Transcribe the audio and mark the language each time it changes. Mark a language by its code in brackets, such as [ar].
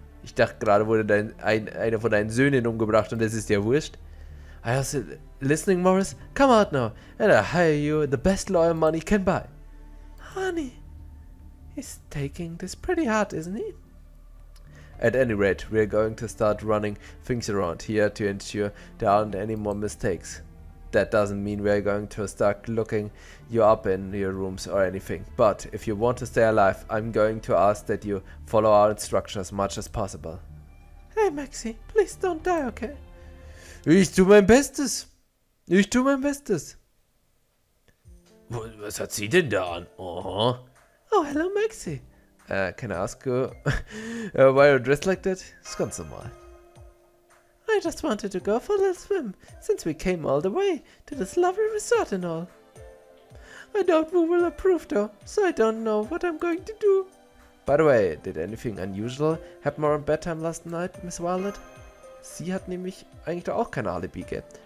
[de] Ich dachte, gerade wurde einer von deinen Söhnen umgebracht und es ist dir wurscht. [en] I was listening, Morris. Come out now. And I hire you the best lawyer money can buy. Honey, he's taking this pretty hard, isn't he? At any rate, we are going to start running things around here to ensure there aren't any more mistakes. That doesn't mean we are going to start looking you up in your rooms or anything. But if you want to stay alive, I'm going to ask that you follow our instructions as much as possible. Hey, Maxie, please don't die, okay? [de] Ich tue mein Bestes. Ich tue mein Bestes. Was hat sie denn da an? Uh-huh. [en] Oh, hello, Maxie. Can I ask you why you're dressed like that? [de] Ist ganz normal. [en] I just wanted to go for a little swim, since we came all the way to this lovely resort and all. I doubt we will approve though, so I don't know what I'm going to do. By the way, did anything unusual happen around bedtime last night, Miss Violet? [de] Sie hat nämlich eigentlich doch auch kein Alibi gehabt.